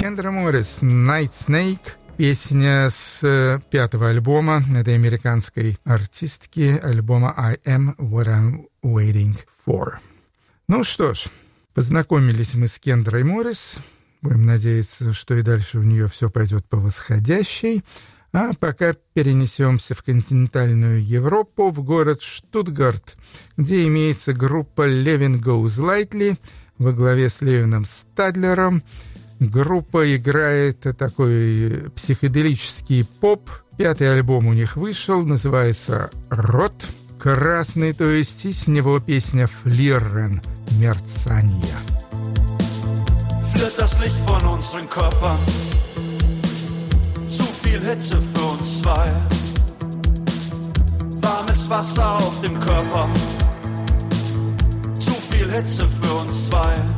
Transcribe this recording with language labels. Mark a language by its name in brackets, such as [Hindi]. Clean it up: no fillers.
[Russian] Morris, Night Snake, песня с пятого альбома этой американской артистки, альбома I Am What I'm Waiting For. Ну что ж, познакомились мы с Кендрой Моррис. Будем надеяться, что и дальше у нее все пойдет по восходящей. А пока перенесемся в континентальную Европу, в город Штутгарт, где имеется группа Levin Goes Lightly во главе с Левином Стадлером. Группа играет такой психоделический поп. Пятый альбом у них вышел, называется «Рот красный», то есть, и с него песня «Флирен» — «Мерцание». [German] Flirrt das Licht von unseren Körpern, zu viel Hitze für uns zwei. Warmes Wasser auf dem Körper, zu viel Hitze für uns zwei.